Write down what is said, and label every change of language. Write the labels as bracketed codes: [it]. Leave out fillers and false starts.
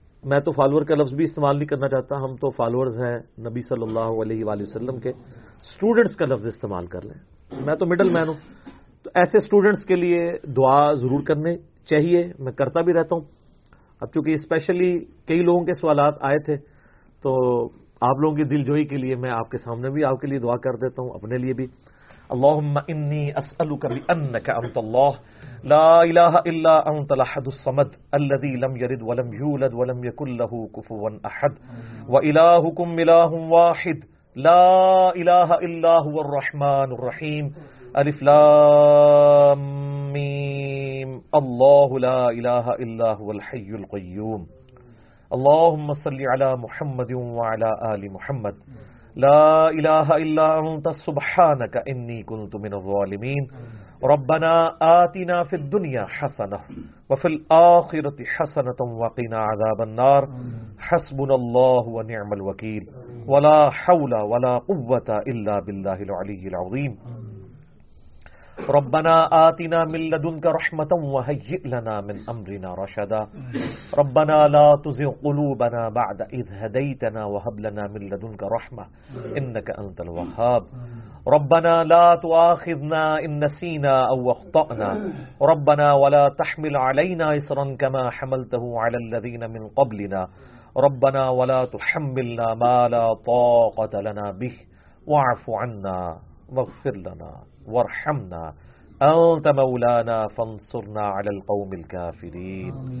[ur] میں تو فالوور کا لفظ بھی استعمال نہیں کرنا چاہتا, ہم تو فالوورز ہیں نبی صلی اللہ علیہ وآلہ وسلم کے, اسٹوڈنٹس کا لفظ استعمال کر لیں, میں تو مڈل مین ہوں, تو ایسے اسٹوڈنٹس کے لیے دعا ضرور کرنے چاہیے, میں کرتا بھی رہتا ہوں. اب چونکہ اسپیشلی کئی لوگوں کے سوالات آئے تھے تو آپ لوگوں کی دل جوئی کے لیے میں آپ کے سامنے بھی آپ کے لیے دعا کر دیتا ہوں اپنے لیے بھی. [ar] اللهم إني أسألك بأنك أنت الله لا إله إلا أنت الأحد الصمد الذي لم يلد ولم يولد ولم يكن له كفوا أحد وإلهكم إله واحد لا إله إلا هو الرحمن الرحيم ألف لام ميم الله لا إله إلا هو الحي القيوم اللهم صل على محمد وعلى آل محمد لا إله إلا أنت سبحانك إني كنت من الظالمين ربنا آتنا في الدنيا حسنة وفي الآخرة حسنة وقنا عذاب النار حسبنا الله ونعم الوكيل ولا حول ولا قوة إلا بالله العلي العظيم ربنا آتنا من لدنك رحمة وهيئ لنا من أمرنا رشدا ربنا لا تزغ قلوبنا بعد إذ هديتنا وهب لنا من لدنك رحمة إنك أنت الوهاب ربنا لا تؤاخذنا إن نسينا أو أخطأنا ربنا ولا تحمل علينا إصرا كما حملته على الذين من قبلنا ربنا ولا تحملنا ما لا طاقة لنا به واعف عنا واغفر لنا وارحمنا أنت مولانا فانصرنا على القوم الكافرين